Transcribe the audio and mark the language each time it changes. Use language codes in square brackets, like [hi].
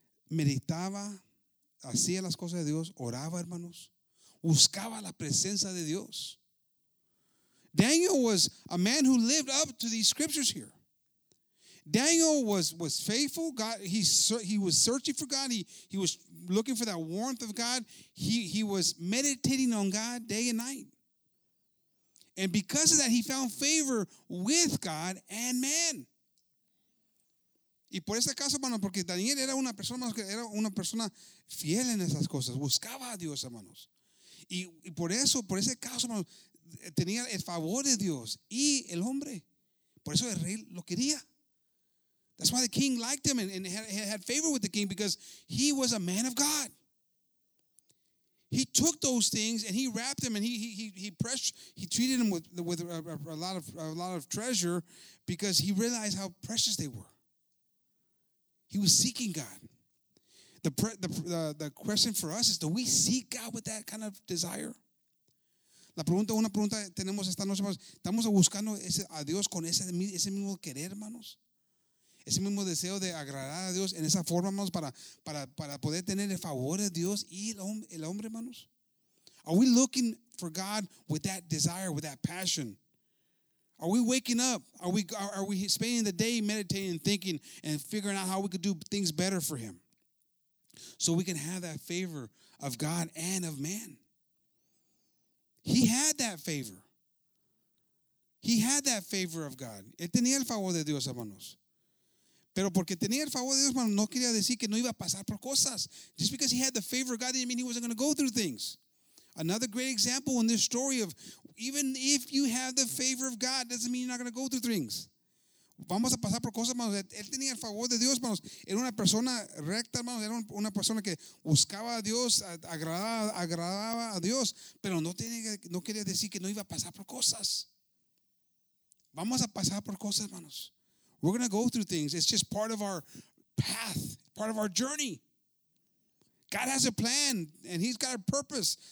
[es] Meditaba, hacía las cosas de Dios, oraba, hermanos. Buscaba la presencia de Dios. [en] Daniel was a man who lived up to these scriptures here. Daniel was faithful. God, he was searching for God. He was looking for that warmth of God. He was meditating on God day and night. And because of that, he found favor with God and man. [es] Y por ese caso, hermanos, porque Daniel era una persona fiel en esas cosas. Buscaba a Dios, hermanos. Y por eso, por ese caso, hermanos, tenía el favor de Dios y el hombre. Por eso el rey lo quería. [en] That's why the king liked him and had favor with the king, because he was a man of God. He took those things and he wrapped them and he treated them with a lot of treasure, because he realized how precious they were. He was seeking God. The question for us is, do we seek God with that kind of desire? [es] La pregunta, una pregunta tenemos esta noche, hermanos. ¿Estamos buscando a Dios con ese mismo querer, hermanos? Ese mismo deseo de agradar a Dios en esa forma, hermanos, para poder tener el favor de Dios y el hombre, hermanos. [en] Are we looking for God with that desire, with that passion? Are we waking up? Are we spending the day meditating, thinking, and figuring out how we could do things better for him? So we can have that favor of God and of man. He had that favor. He had that favor of God. [es] Él tenía el favor de Dios, hermanos. Pero porque tenía el favor de Dios, hermanos, no quería decir que no iba a pasar por cosas. [en] Just because he had the favor of God didn't mean he wasn't going to go through things. Another great example in this story of even if you have the favor of God, doesn't mean you're not going to go through things. [es] Vamos a pasar por cosas, hermanos. Él tenía el favor de Dios, hermanos. Era una persona recta, hermanos. Era una persona que buscaba a Dios, agradaba a Dios. Pero no quería decir que no iba a pasar por cosas. Vamos a pasar por cosas, hermanos. [en] We're going to go through things. It's just part of our path, part of our journey. God has a plan, and he's got a purpose.